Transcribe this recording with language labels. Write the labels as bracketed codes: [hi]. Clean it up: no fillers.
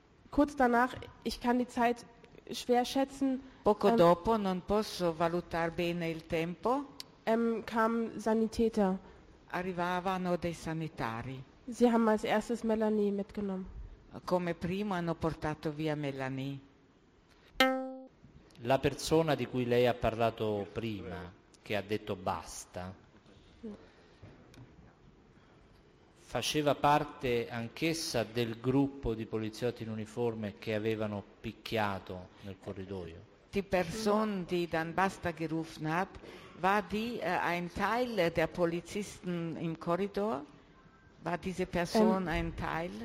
[de] Kurz danach, ich kann die Zeit schwer schätzen. [it] Poco dopo, non posso valutare bene il tempo. [de] Kam Sanitäter. [it] Arrivavano dei sanitari. [de] Sie haben als erstes Melanie mitgenommen. [it] Come primo hanno portato via Melanie. La persona di cui lei ha parlato prima, che ha detto basta, faceva parte anch'essa del gruppo di poliziotti in uniforme che avevano picchiato nel corridoio? [de] die Person, die dann Basta gerufen hat, war die ein Teil der Polizisten im Korridor? War diese Person ein Teil?